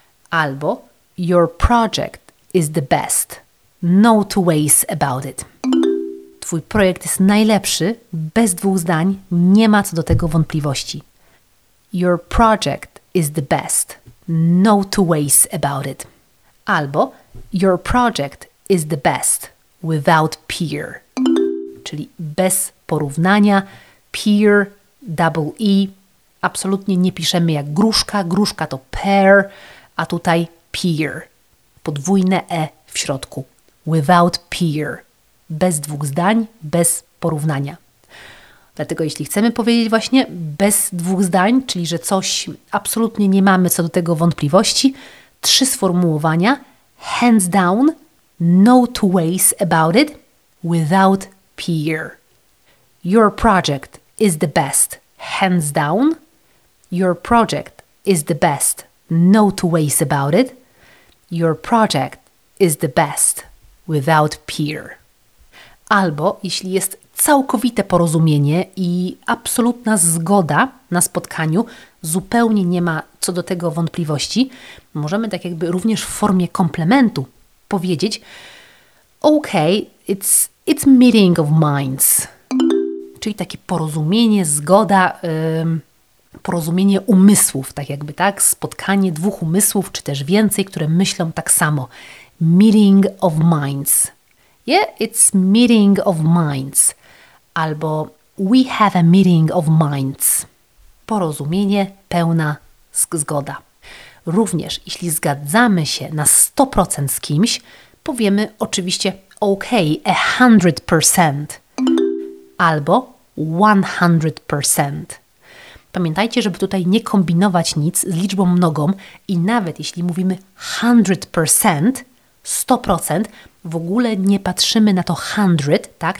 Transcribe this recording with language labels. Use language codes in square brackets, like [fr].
[pl] Albo [en] your project is the best. No two ways about it. [pl] Twój projekt jest najlepszy, bez dwóch zdań, nie ma co do tego wątpliwości. [en] Your project is the best. No two ways about it. [pl] Albo [en] your project is the best without peer. [pl] Czyli bez porównania, peer, [en] double E. [pl] Absolutnie nie piszemy jak gruszka, gruszka to pear, a tutaj peer. Podwójne E w środku. [en] Without peer. [pl] Bez dwóch zdań, bez porównania. Dlatego jeśli chcemy powiedzieć właśnie bez dwóch zdań, czyli że coś absolutnie nie mamy co do tego wątpliwości, trzy sformułowania, [en] hands down, no two ways about it, without peer. Your project is the best, hands down. Your project is the best, no two ways about it. Your project is the best, without peer. [pl] Albo jeśli jest całkowite porozumienie i absolutna zgoda na spotkaniu, zupełnie nie ma co do tego wątpliwości, możemy tak jakby również w formie komplementu powiedzieć: [en] okay, it's meeting of minds. [pl] Czyli takie porozumienie, zgoda, porozumienie umysłów, tak jakby, tak? Spotkanie dwóch umysłów, czy też więcej, które myślą tak samo. [en] Meeting of minds. Yeah, it's meeting of minds. [pl] Albo [en] we have a meeting of minds. [pl] Porozumienie, pełna zgoda. Również, jeśli zgadzamy się na 100% z kimś, powiemy oczywiście okay, 100%. Albo 100%. Pamiętajcie, żeby tutaj nie kombinować nic z liczbą mnogą i nawet jeśli mówimy 100%, 100%, w ogóle nie patrzymy na to 100, tak?